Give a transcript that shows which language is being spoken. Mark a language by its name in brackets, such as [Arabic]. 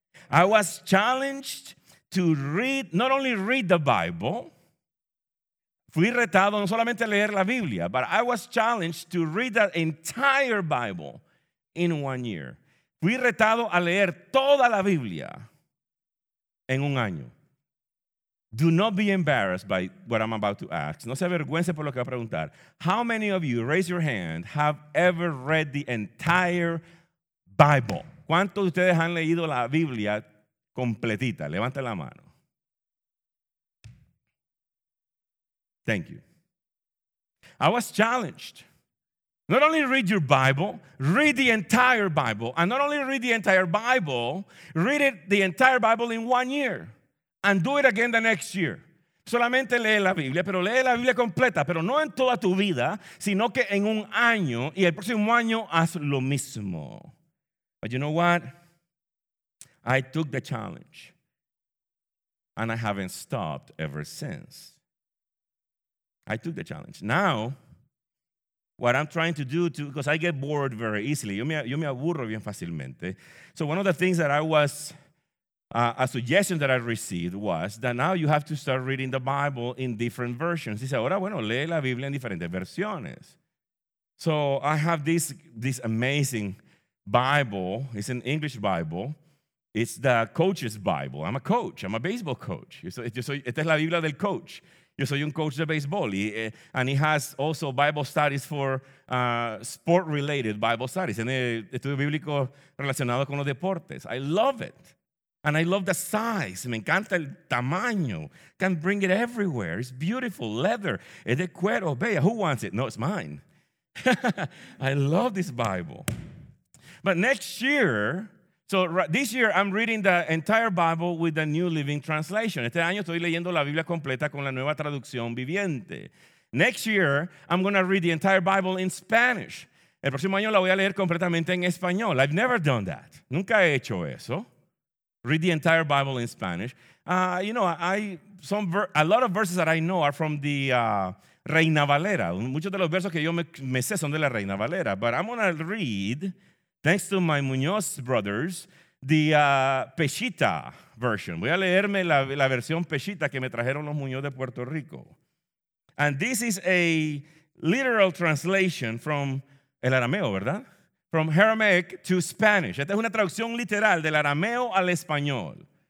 [English] I was challenged to read, not only read the Bible. [Spanish] Fui retado no solamente a leer la Biblia, [English] but I was challenged to read the entire Bible in 1 year. [Spanish] Fui retado a leer toda la Biblia en un año. [English] Do not be embarrassed by what I'm about to ask. [Spanish] No se avergüence por lo que va a preguntar. [English] How many of you, raise your hand, have ever read the entire Bible? [Spanish] ¿Cuántos de ustedes han leído la Biblia completita? Levanten la mano. [English] Thank you. I was challenged. Not only read your Bible, read the entire Bible. And not only read the entire Bible, read it the entire Bible in 1 year. And do it again the next year. [Spanish] Solamente lee la Biblia, pero lee la Biblia completa, pero no en toda tu vida, sino que en un año. Y el próximo año, haz lo mismo. [English] But you know what? I took the challenge. And I haven't stopped ever since. I took the challenge. Now, what I'm trying to do, too, because I get bored very easily. [Spanish] Yo me aburro bien fácilmente. [English] So one of the things that I was, a suggestion that I received was that now you have to start reading the Bible in different versions. [Spanish] Dice, ahora, bueno, lee la Biblia en diferentes versiones. [English] So I have this amazing Bible. It's an English Bible. It's the coach's Bible. I'm a coach. I'm a baseball coach. [Spanish] Esta es la Biblia del coach. Yo soy un coach de baseball, [English] and he has also Bible studies for sport-related Bible studies. [Spanish] Tiene estudios bíblicos relacionados con los deportes. [English] I love it, and I love the size. [Spanish] Me encanta el tamaño. [English] Can bring it everywhere. It's beautiful, leather. [Spanish] Es de cuero, bella. [English] Who wants it? No, it's mine. I love this Bible. But next year, this year I'm reading the entire Bible with the New Living Translation. [Spanish] Este año estoy leyendo la Biblia completa con la nueva traducción viviente. [English] Next year I'm going to read the entire Bible in Spanish. [Spanish] El próximo año la voy a leer completamente en español. [English] I've never done that. [Spanish] Nunca he hecho eso. [English] Read the entire Bible in Spanish. A lot of verses that I know are from the Reina Valera. [Spanish] Muchos de los versos que yo me sé son de la Reina Valera. [English] But I'm going to read, thanks to my Muñoz brothers, the Peshitta version. [Spanish] Voy a leerme la versión Peshitta que me trajeron los Muñoz de Puerto Rico. [English] And this is a literal translation from [Spanish] el arameo, ¿verdad? [English] From Aramaic to Spanish. [Spanish] Esta es una traducción literal del arameo al español.